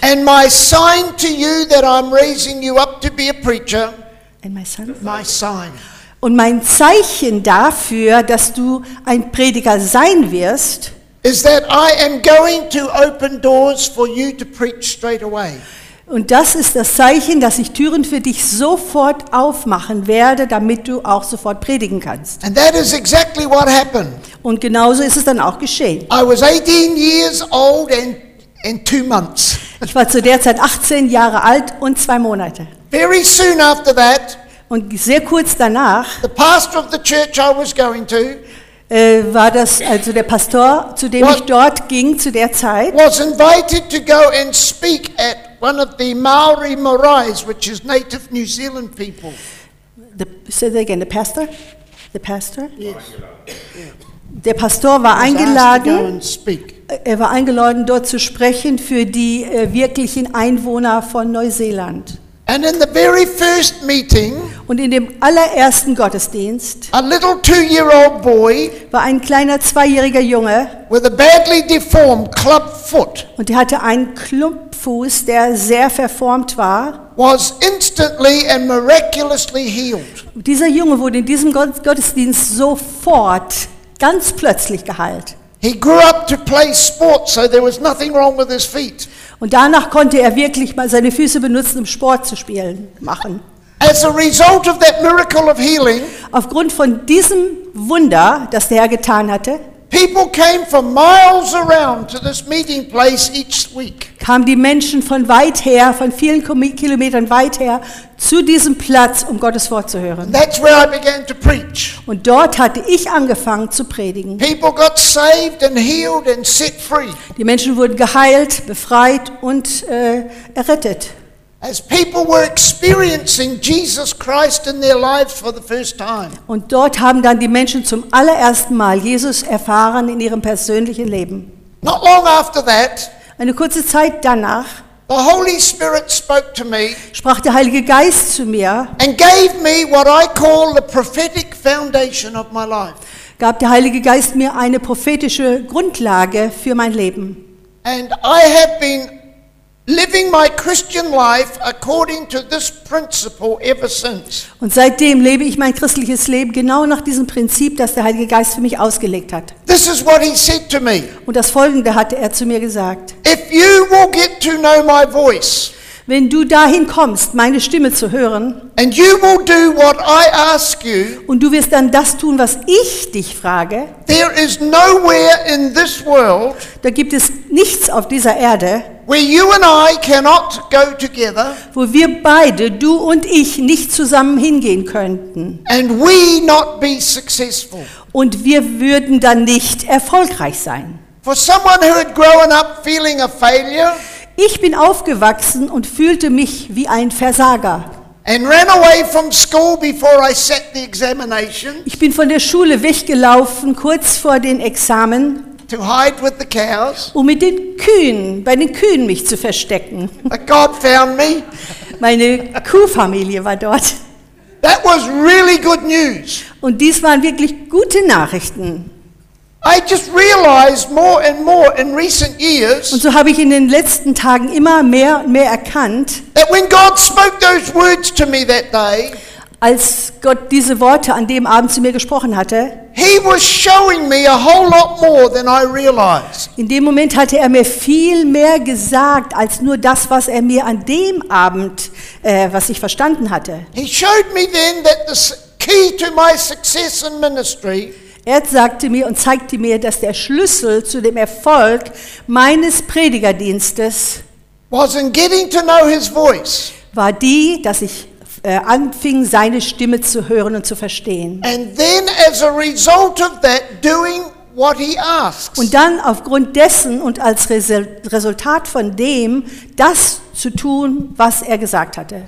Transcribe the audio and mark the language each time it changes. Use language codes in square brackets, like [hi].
[en] And my sign to you that I'm raising you up to be a preacher. And my sign. My sign. [de] Und mein Zeichen dafür, dass du ein Prediger sein wirst, [en] is that I am going to open doors for you to preach straight away. [de] Und das ist das Zeichen, dass ich Türen für dich sofort aufmachen werde, damit du auch sofort predigen kannst. [en] And that is exactly what happened. [de] Und genauso ist es dann auch geschehen. [en] I was 18 years old and 2 months. [de] Ich war zu der Zeit 18 Jahre alt und 2 Monate. [en] Very soon after that, [de] und sehr kurz danach, [en] the pastor of the church I was going to, [de] war das also der Pastor, zu dem ich dort ging zu der Zeit, [en] was invited to go and speak at one of the Maori Marais, which is native New Zealand people. Say that again, the pastor? The pastor? Yes. [de] Der Pastor war eingeladen. [en] To go and speak. [de] Er war eingeladen, dort zu sprechen für die wirklichen Einwohner von Neuseeland. [en] And in the very first meeting, [de] und in dem allerersten Gottesdienst, [en] a little 2-year-old boy, [de] war ein kleiner 2-jähriger Junge, [en] with a badly deformed club foot, [de] und er hatte einen Klumpfuß, der sehr verformt war, [en] was instantly and miraculously healed. [de] Dieser Junge wurde in diesem Gottesdienst sofort, ganz plötzlich geheilt. [en] He grew up to play sports, so there was nothing wrong with his feet. [de] Und danach konnte er wirklich mal seine Füße benutzen, um Sport zu spielen, machen. [en] As a result of that miracle of healing, [de] aufgrund von diesem Wunder, das der Herr getan hatte, [en] people came from miles around to this meeting place each week. [de] Kamen die Menschen von weit her, von vielen Kilometern weit her, zu diesem Platz, um Gottes Wort zu hören. [en] That's where I began to preach. [de] Und dort hatte ich angefangen zu predigen. [en] People got saved and healed and set free. [de] Die Menschen wurden geheilt, befreit und errettet. [en] As people were experiencing Jesus Christ in their lives for the first time. [de] Und dort haben dann die Menschen zum allerersten Mal Jesus erfahren in ihrem persönlichen Leben. [en] Not long after that, [de] eine kurze Zeit danach, [en] the Holy Spirit spoke to me, [de] sprach der Heilige Geist zu mir, [en] and gave me what I call the prophetic foundation of my life. [de] Gab der Heilige Geist mir eine prophetische Grundlage für mein Leben. [en] And I have been living my Christian life according to this principle ever since. [de] Und seitdem lebe ich mein christliches Leben genau nach diesem Prinzip, das der Heilige Geist für mich ausgelegt hat. [en] This is what he said to me. [de] Und das Folgende hatte er zu mir gesagt. [en] If you will get to know my voice, [de] wenn du dahin kommst, meine Stimme zu hören, [en] and you will do what I ask you, [de] und du wirst dann das tun, was ich dich frage, [en] there is nowhere in this world, [de] da gibt es nichts auf dieser Erde, [en] where you and I cannot go together, [de] wo wir beide, du und ich, nicht zusammen hingehen könnten, [en] and we not be successful, [de] und wir würden dann nicht erfolgreich sein. [en] For someone who had grown up feeling a failure, [de] ich bin aufgewachsen und fühlte mich wie ein Versager. [en] And ran away from school before I set the examination. [de] Ich bin von der Schule weggelaufen, kurz vor den Examen, [en] to hide with the cows, [de] um mit den Kühen, bei den Kühen mich zu verstecken. [en] But God found me. [de] Meine Kuhfamilie war dort. [en] That was really good news. [de] Und dies waren wirklich gute Nachrichten. [en] I just realized more and more in recent years. [de] Und so habe ich in den letzten Tagen immer mehr und mehr erkannt. [en] That when God spoke those words to me that day, [de] als Gott diese Worte an dem Abend zu mir gesprochen hatte, [en] he was showing me a whole lot more than I realized. [de] In dem Moment hatte er mir viel mehr gesagt als nur das, was er mir an dem Abend, was ich verstanden hatte. [en] He showed me then that the key to my success in ministry. [de] Er sagte mir und zeigte mir, dass der Schlüssel zu dem Erfolg meines Predigerdienstes [en] was in getting to know his voice. [de] War die, dass ich anfing, seine Stimme zu hören und zu verstehen. [en] And then as a result of that, doing what he asks. [de] Und dann aufgrund dessen und als Resultat von dem, das zu tun, was er gesagt hatte.